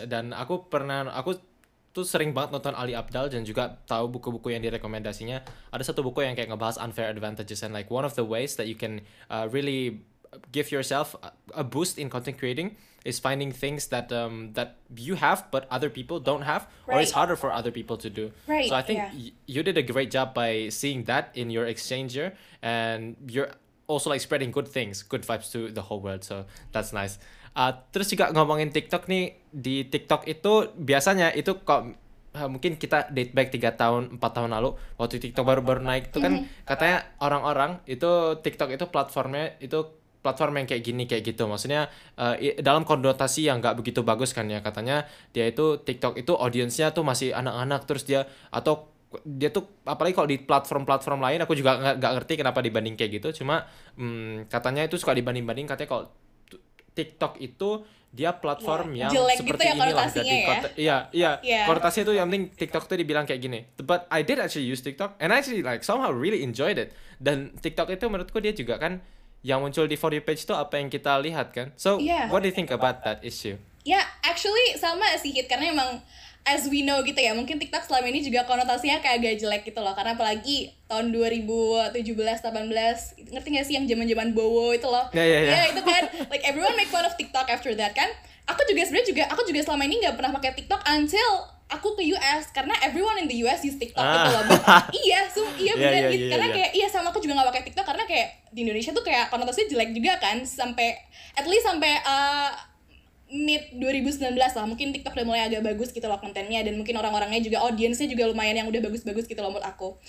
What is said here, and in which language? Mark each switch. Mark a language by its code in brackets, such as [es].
[id] Dan aku tuh sering banget nonton Ali Abdal dan juga tahu buku-buku yang direkomendasinya. Ada satu buku yang kayak ngebahas [en] unfair advantages and like one of the ways that you can really give yourself a boost in content creating is finding things that that you have but other people don't have, right? Or it's harder for other people to do, right? So I think you did a great job by seeing that in your exchange year, and you're also like spreading good things, good vibes to the whole world, so that's nice. [id] Terus juga ngomongin TikTok nih, di TikTok itu biasanya itu kok mungkin kita [en] date back [id] 3 tahun, 4 tahun lalu waktu TikTok baru-baru naik itu kan katanya orang-orang itu TikTok itu platformnya itu platform yang kayak gini kayak gitu, maksudnya dalam konotasi yang nggak begitu bagus kan ya, katanya dia itu TikTok itu audiensnya tuh masih anak-anak, terus dia atau dia tuh apalagi kalau di platform-platform lain aku juga nggak ngerti kenapa dibanding kayak gitu, cuma katanya itu suka dibanding-banding, katanya kalau TikTok itu dia platform [en] Yeah. [id] yang Jelek gitu seperti ya inilah, jadi konotasinya ya. konotasinya itu yang penting TikTok itu dibilang kayak gini. [en] But I did actually use TikTok and I actually like somehow really enjoyed it. [id] Dan TikTok itu menurutku dia juga kan yang muncul di For You page itu apa yang kita lihat kan. [en] So what do you think about that issue? [id] Ya, actually sama sih Hit, karena emang [en] as we know [id] gitu ya, mungkin TikTok selama ini juga konotasinya kayak agak jelek gitu loh. Karena apalagi tahun 2017-18, ngerti gak sih yang zaman-zaman Bowo itu loh. Ya, itu kan, [en] like everyone make fun of TikTok after that kan. [id] Aku juga sebenarnya juga, aku juga selama ini gak pernah pakai TikTok until aku ke US. Karena [en] everyone in the US use TikTok [id] gitu loh. Iya, bener gitu. Karena kayak, iya sama aku juga gak pakai TikTok karena kayak di Indonesia tuh kayak konotasinya jelek juga kan. Sampai, [en] at least [id] sampai [en] mid 2019 [id] lah, mungkin TikTok udah mulai agak bagus gitu loh kontennya, dan mungkin orang-orangnya juga, audiensnya juga lumayan yang udah bagus-bagus gitu loh menurut aku.